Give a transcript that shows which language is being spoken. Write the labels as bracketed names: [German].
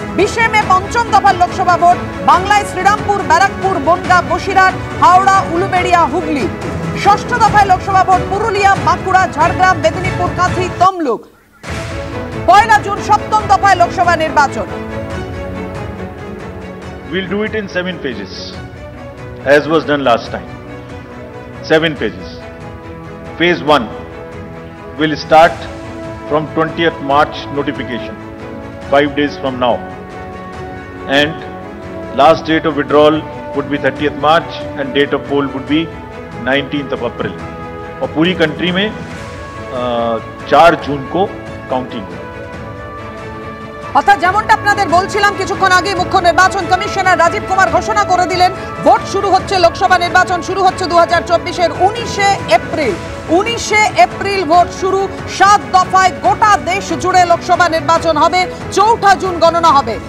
[Bangla] 20 মে পঞ্চম দফার লোকসভা ভোট বাংলায় শ্রীরামপুর ব্যারাকপুর বনগাঁ বসিরহাট হাওড়া উলুবেড়িয়া হুগলি, ষষ্ঠ দফায় লোকসভা ভোট পুরুলিয়া বাঁকুড়া ঝাড়গ্রাম মেদিনীপুর কাঁথি তমলুক, 1 জুন সপ্তম দফায় লোকসভা নির্বাচন। [English] We'll do it in 7 phases, as was done last time. 7 phases. Phase 1 will start from 20th March notification, 5 days from now. And last date of withdrawal would be 30th March and date of poll would be 19th of April. [Hindi] Aur puri country mein 4 June ko counting. [Bangla] অর্থাৎ যেমনটা আপনাদের বলছিলাম কিছুক্ষণ আগে, মুখ্য নির্বাচন commissioner Rajib Kumar ঘোষণা করে দিলেন ভোট শুরু হচ্ছে, লোকসভা নির্বাচন শুরু হচ্ছে 2024-এর 19 এপ্রিল। 19 এপ্রিল ভোট শুরু, 7 দফায় গোটা দেশ জুড়ে লোকসভা নির্বাচন হবে, 4 জুন গণনা হবে।